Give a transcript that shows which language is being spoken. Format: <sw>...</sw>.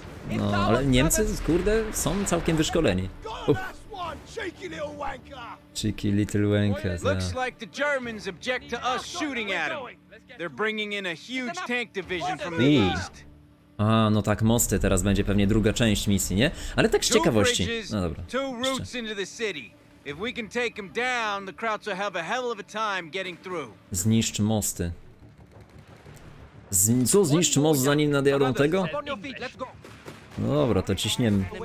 <pl>No, ale Niemcy, kurde, są całkiem wyszkoleni.</pl> <en>Cheeky little wanker. Looks like the Germans object to us shooting at them. They're bringing in a huge tank division from the east.</en> <pl>A, no tak, mosty, teraz będzie pewnie druga część misji, nie? Ale tak z ciekawości. No dobra.</pl> <en>Two routes into the city. If we can take them down, the crowds will have a hell of a time getting through.</en> <pl>Zniszcz mosty. Co, zniszcz most zanim nadjadą tego? No dobra, to ciśniemy.</pl>